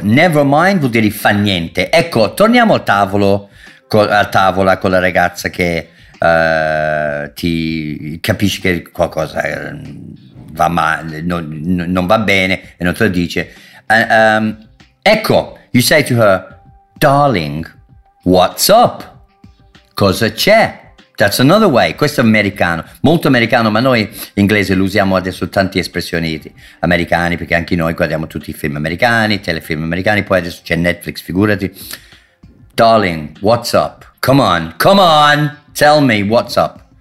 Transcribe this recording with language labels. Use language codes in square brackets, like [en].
[en] Never mind [it] vuol dire fa niente. Ecco, torniamo al tavolo, a tavola con la ragazza che ti capisci che qualcosa va male, non va bene, e non te lo dice. [en] Ecco, you say to her, darling, what's up? [it] Cosa c'è? [en] That's another way. [it] Questo è americano, molto americano, ma noi inglesi lo usiamo adesso, tante espressioni americane, perché anche noi guardiamo tutti i film americani, telefilm americani, poi adesso c'è Netflix, figurati. [en] Darling, what's up? Come on, come on, tell me what's up.